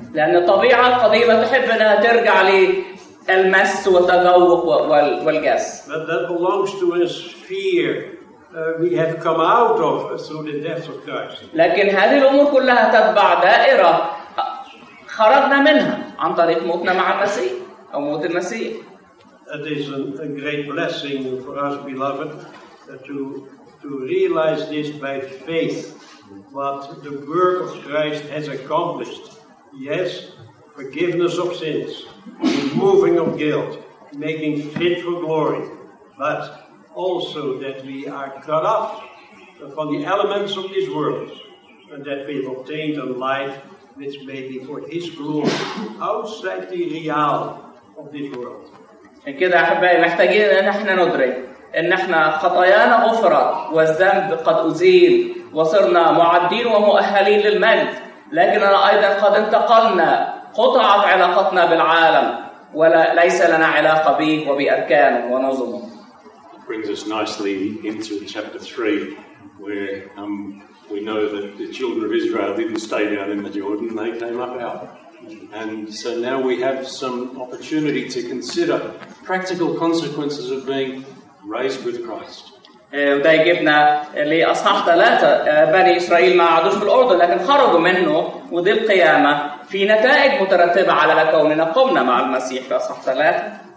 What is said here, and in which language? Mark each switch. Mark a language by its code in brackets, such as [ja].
[ar] لأن الطبيعة القديمة تحب أنها ترجع لي. المس والتذوق والجس. [en] But that belongs to a sphere we have come out of through the death of Christ. [ar] لكن هذه الأمور كلها تتبع دائرة خرجنا منها عن طريق موتنا مع المسيح أو موت المسيح. [en] It is a great blessing for us, beloved, to realize this by faith, what the work of Christ has accomplished. Yes, forgiveness of sins. Removing of guilt, making fit for glory, but also that we are cut off from the elements of this world, and that we have obtained a life which may be for His glory outside the real of this world. [ar] And كده أحبائي محتاجين أن إحنا ندرك أن إحنا خطايانا غفرت والذنب قد أزيل وصرنا معدين ومؤهلين للمجد، لكننا أيضا قد انتقلنا قطعت علاقتنا بالعالم. ولا ليس لنا علاقة به وبأركانه ونظمه. [en] It brings us nicely into chapter 3 where we know that the children of Israel didn't stay down in the Jordan, they came up out. And so now we have some opportunity to consider practical consequences of being raised with Christ. [ar] وده يجبنا لأصحاح 3 بني إسرائيل ما عادوش في الأردن لكن خرجوا منه ودي القيامة في نتائج مترتبة على كوننا قمنا مع المسيح في أصحاح 3